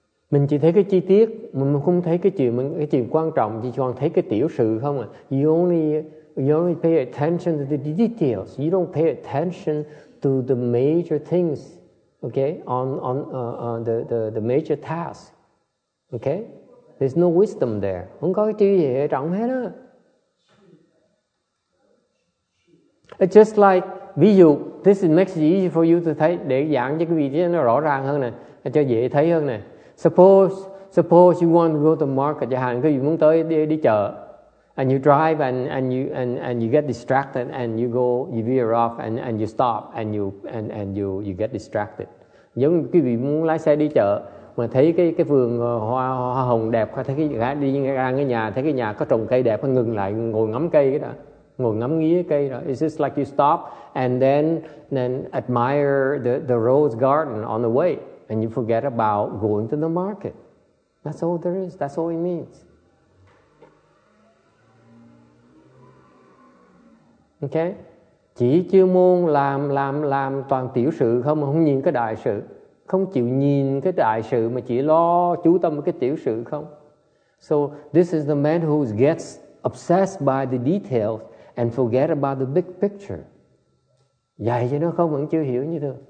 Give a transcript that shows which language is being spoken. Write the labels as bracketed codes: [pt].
[vi] Mình chỉ thấy cái chi tiết, mình không thấy cái chuyện quan trọng, chỉ còn thấy cái tiểu sự không à. [en] You only pay attention to the details. You don't pay attention to the major things, okay? On the major task, okay? There's no wisdom there. [vi] Không có cái gì trọng hết á. [en] It's just like, [vi] ví dụ, [en] this makes it easy for you to [vi] thấy, để giảng cho quý vị nó rõ ràng hơn nè, cho dễ thấy hơn nè. [en] Suppose you want to go to the market, [vi] chẳng hạn, quý vị muốn tới đi chợ, [en] and you drive and you get distracted and you veer off and you stop and you get distracted. [vi] Giống quý vị muốn lái xe đi chợ mà thấy cái vườn hoa hồng đẹp, hoặc thấy cái đi ngang cái nhà, thấy cái nhà có trồng cây đẹp, hoặc ngừng lại ngồi ngắm cây đó, ngồi ngắm nghía cây đó. [en] It's just like you stop and then admire the rose garden on the way, and you forget about going to the market. That's all there is. That's all it means. Okay. [vi] Chỉ chuyên môn làm toàn tiểu sự không, mà không nhìn cái đại sự. Không chịu nhìn cái đại sự mà chỉ lo chú tâm cái tiểu sự không. [en] So this is the man who gets obsessed by the details and forget about the big picture. [vi] Dạy cho nó không vẫn chưa hiểu như thường.